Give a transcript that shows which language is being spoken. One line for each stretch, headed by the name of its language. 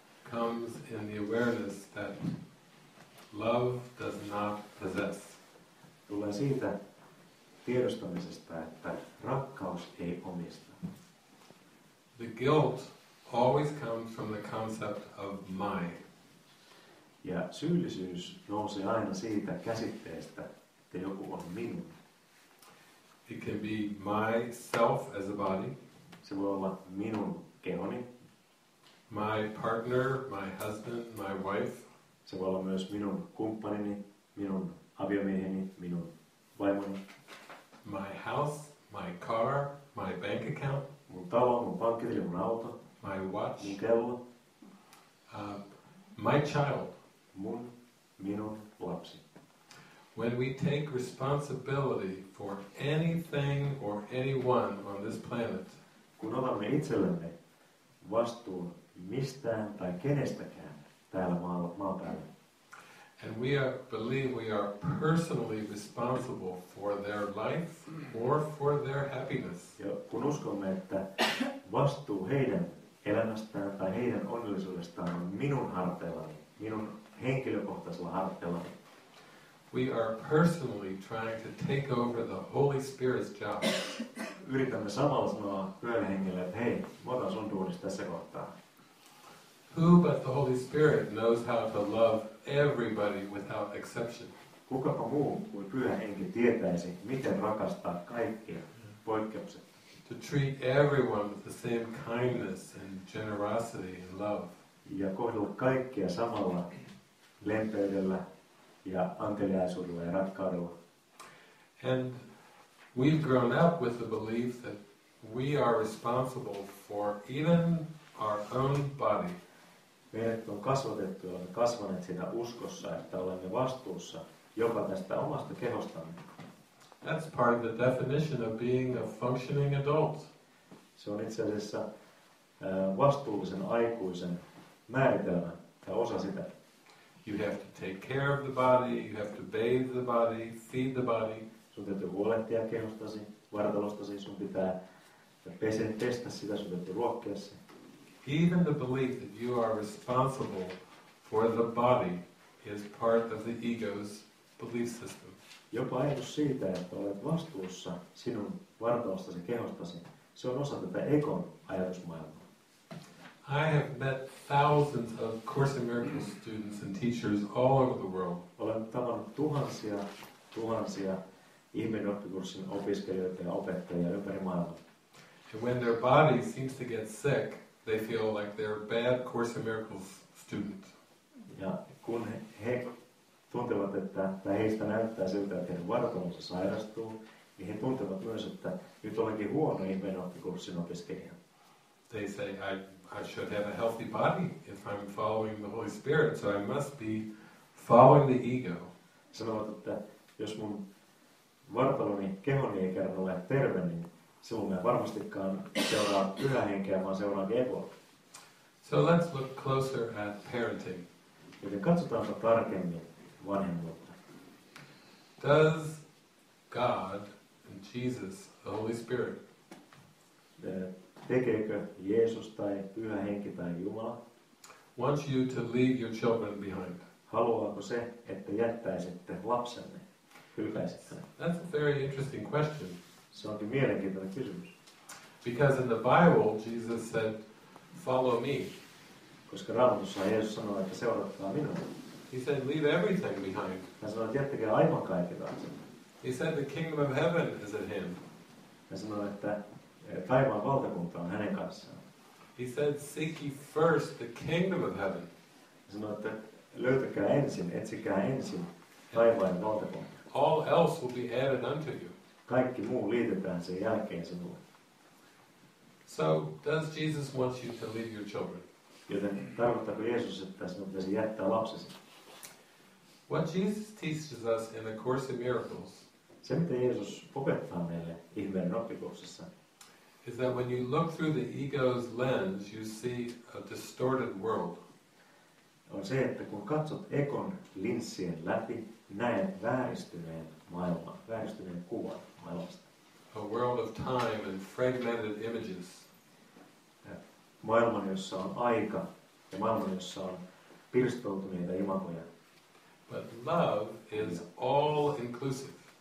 English: comes in the awareness that love does not possess.
Finnish: Tulee siitä tiedostamisesta, että rakkaus ei omista.
English: The guilt always comes from the concept of my.
Finnish: Ja syyllisyys nousee aina siitä käsitteestä, että joku on minun.
English: It can be myself as a body.
Finnish: Se voi olla minun kehoni.
English: My partner, my husband, my wife.
Finnish: Se voi olla myös minun kumppanini, minun aviomieheni, minun vaimoni.
English: My house, my car, my bank account.
Finnish: Mun talo, mun pankkitili, mun auto.
English: My watch.
Finnish: Mun kello.
English: My child.
Finnish: Minun lapsi.
English: When we take responsibility for anything or anyone on this planet,
Finnish: kun otamme itsellemme vastuun mistään tai kenestäkään täällä maapallolla,
English: and we believe we are personally responsible for their life or for their happiness,
Finnish: ja kun uskomme, että vastuu heidän elämästään tai heidän onnellisuudestaan on minun harteillani, minun henkilökohtaisella harteillani,
English: we are personally trying to take over the Holy Spirit's job.
Finnish: Yritämme samalla sanoa Pyhän Hengelle, että hei, mitä sun duunis tässä kohtaa?
English: Who but the Holy Spirit knows how to love everybody without exception?
Finnish: Kukapa muu kuin Pyhä Henki tietäisi, miten rakastaa kaikkia poikkeuksetta?
English: To treat everyone with the same kindness and generosity and love.
Finnish: Ja kohdella kaikkia samalla lempeydellä ja anteliaisuudella ja rakkaudella.
English: And we've grown up with the belief that we are responsible for even our own body.
Finnish: Meidät on kasvatettu ja kasvaneet siinä uskossa, että olemme vastuussa jopa tästä omasta kehostamme.
English: That's part of the definition of being a functioning adult.
Finnish: Se on itse asiassa vastuullisen aikuisen määritelmä tai osa sitä.
English: You have to take care of the body, you have to bathe the body, feed the body.
Finnish: Sun täytyy huolehtia kehostasi, vartalostasi, sun pitää pestä sitä, sun täytyy ruokkia se.
English: Even the belief that you are responsible for the body is part of the ego's belief system.
Finnish: Jopa ajatus siitä, että olet vastuussa sinun vartalostasi, kehostasi, se on osa tätä egon ajatusmaailmaa.
English: I have met thousands of Course in Miracles students and teachers all over the world.
Finnish: Olen tavannut tuhansia ihmeen oppikurssin opiskelijoita ja opettajia ympäri maailmaa.
English: And when their body seems to get sick, they feel like they're a bad Course in Miracles student.
Finnish: Ja kun he tuntevat, että tai heistä näyttää siltä, että heidän vartalonsa sairastuu, niin he tuntevat myös, että nyt olenkin huono ihmeen oppikurssin opiskelija.
English: They say, I should have a healthy body if I'm following the Holy Spirit, so I must be following the ego.
Finnish: Sanovat, että jos mun vartaloni, kehoni ei kerran ole terve, niin silloin mä varmastikaan seuraa ylähenkeä, vaan seuraan egoa.
English: So let's look closer at parenting.
Finnish: Joten katsotaanpa tarkemmin vanhemmuutta.
English: Does God and Jesus, the Holy Spirit,
Finnish: tekeekö Jeesus tai Pyhä Henki tai Jumala?
English: Wants you to leave your children behind.
Finnish: Haluaako se, että jättäisitte lapsenne hylkäisitte?
English: That's a very interesting question.
Finnish: Se onkin mielenkiintoinen kysymys.
English: Because in the Bible Jesus said, follow me.
Finnish: Koska Raamatussa Jeesus sanoi, että seuratkaa minua.
English: He said, leave everything behind.
Finnish: Hän sanoi, että jättäkää aivan kaiken taakse.
English: He said, the kingdom of heaven is at hand.
Finnish: Hän sanoi, että taivaan valtakunta on hänen kanssaan.
English: He said, seek ye first the kingdom of heaven.
Finnish: Hän sanoi, että löytäkää ensin, etsikää ensin taivaan valtakunta.
English: All else will be added unto you.
Finnish: Kaikki muu liitetään sen jälkeen sinulle.
English: So, does Jesus want you to leave your children?
Finnish: Joten tarkoittaako Jeesus, että sinun pitäisi jättää lapsesi?
English: What Jesus teaches us in the Course in Miracles,
Finnish: se, mitä Jeesus opettaa meille ihmeen oppikurssissa,
English: is that when you look through the ego's lens, you see a distorted world.
Finnish: On se, että kun katsot ekon linssien läpi, näet vääristyneen maailman, vääristyneen kuvan maailmasta.
English: A world of time and fragmented images.
Finnish: Maailman, jossa on aika, ja maailman, jossa on pirstoutuneita imagoja.
English: But love is all inclusive.